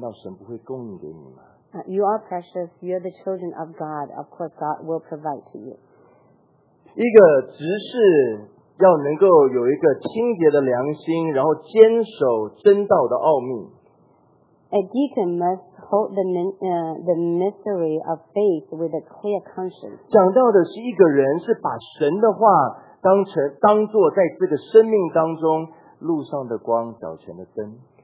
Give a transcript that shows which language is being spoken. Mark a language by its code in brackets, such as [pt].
[zh] 可是你是神的儿女，你是这么珍贵的，难道神不会供应给你吗？ [en] You are precious. You are the children of God. Of course, God will provide to you. [zh] 一个执事。要能够有一个清洁的良心，然后坚守真道的奥秘。 [en] A deacon must hold the mystery of faith with a clear conscience. [zh] 讲到的是一个人是把神的话当成当作在这个生命当中路上的光，脚前的灯。